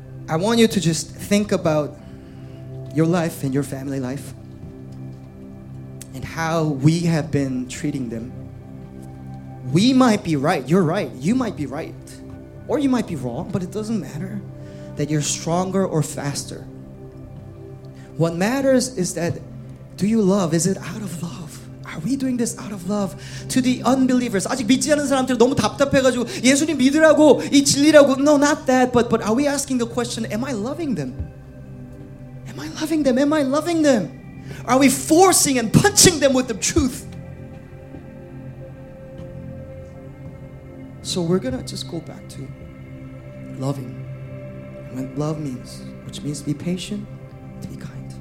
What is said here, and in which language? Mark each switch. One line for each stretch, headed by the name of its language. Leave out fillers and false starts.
English: I want you to just think about your life and your family life and how we have been treating them. We might be right. You're right. You might be right. Or you might be wrong, but it doesn't matter that you're stronger or faster. What matters is that, do you love? Is it out of love? Are we doing this out of love to the unbelievers?
Korean: 아직 믿지 않은 사람들 너무 답답해가지고 예수님 믿으라고 이 진리라고.
English: No, not that. But are we asking the question, am I loving them? Am I loving them? Am I loving them? Are we forcing and punching them with the truth? So we're going to just go back to loving. When love means, which means be patient, to be kind.